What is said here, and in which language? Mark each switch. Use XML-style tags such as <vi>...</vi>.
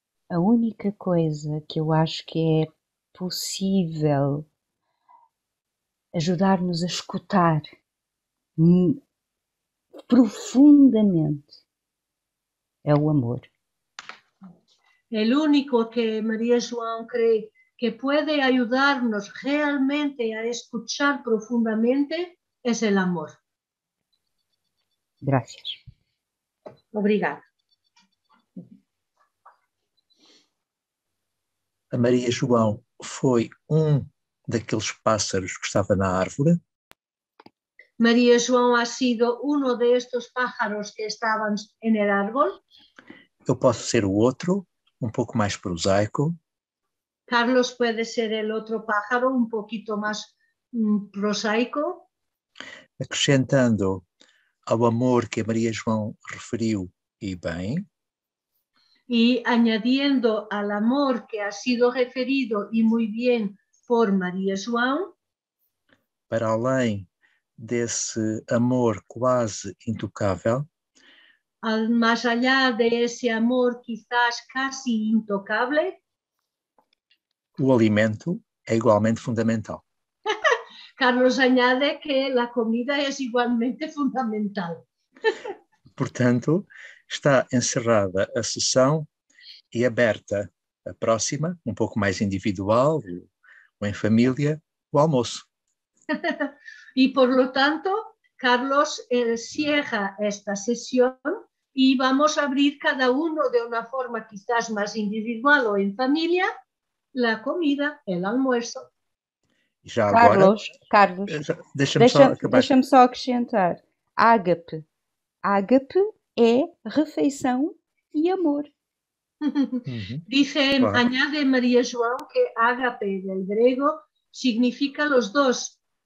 <pt>A única coisa que eu acho que é possível ajudar-nos a escutar profundamente é o amor.</pt> <es>El único que María João cree que puede ayudarnos realmente a escuchar profundamente es el amor. Gracias.</es> <pt>Obrigada. A María João foi um daqueles pássaros que estava na árvore.</pt> <es>María João ha sido uno de estos pájaros que estaban en el árbol.</es> <pt>Eu posso ser o outro. Um pouco mais prosaico. Carlos pode ser o outro pájaro, um pouquinho mais prosaico. Acrescentando ao amor que a Maria João referiu, e bem.</pt> <es>E añadiendo ao amor que ha sido referido,</es> <pt>e muito bem,</pt> <es>por Maria João.</es> <pt>Para além desse amor quase intocável.</pt> <es>Más allá de ese amor quizás casi intocable,</es> <pt>o alimento é igualmente fundamental.</pt> <es>Carlos añade que la comida es igualmente fundamental.</es> <pt>Portanto, está encerrada a sessão e aberta a próxima, um pouco mais individual ou em família, o almoço.</pt> <es>Y por lo tanto, Carlos cierra esta sesión y vamos a abrir cada uno de una forma quizás más individual o en familia, la comida, el almuerzo.</es> <pt>Carlos, deixa-me só acrescentar. Ágape. Ágape é refeição e amor.</pt> <es>Dice, añade Maria João, que ágape del grego significa los dos.</es>